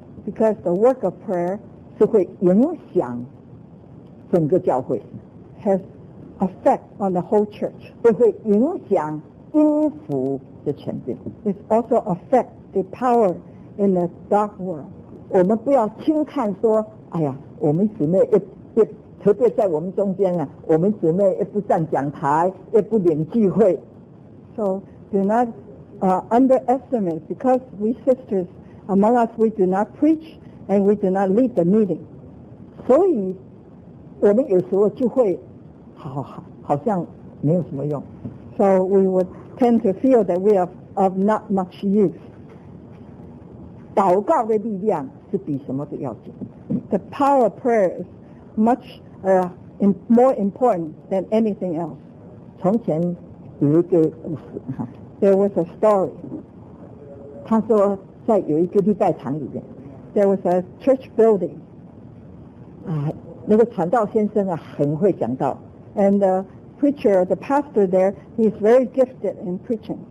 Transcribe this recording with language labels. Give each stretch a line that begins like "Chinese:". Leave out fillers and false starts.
English: because the work of prayer
Chinese: 是会影响整个教会
English: has effect on the whole church.
Chinese: 也会影响音符的前进
English: It also affect the power in the dark world.
Chinese: 我们不要轻看说哎呀我们姊妹特别在我们中间啊，我们姊妹也不站讲台，也不领聚会。
English: So do not underestimate, because we sisters among us, we do not preach and we do not lead the meeting.
Chinese: 所以，我们有时候聚会，好像没有什么用。
English: So we would tend to feel that we are of not much use.
Chinese: 祷告的力量是比什么都要紧。
English: The power of prayer is much more important than anything else.
Chinese: 从前有一个故事
English: There was a story.
Chinese: 他说在有一个礼拜堂里面
English: There was a church building.
Chinese: 啊，那个传道先生啊，很会讲道。
English: And the preacher, the pastor there, he's very gifted in preaching.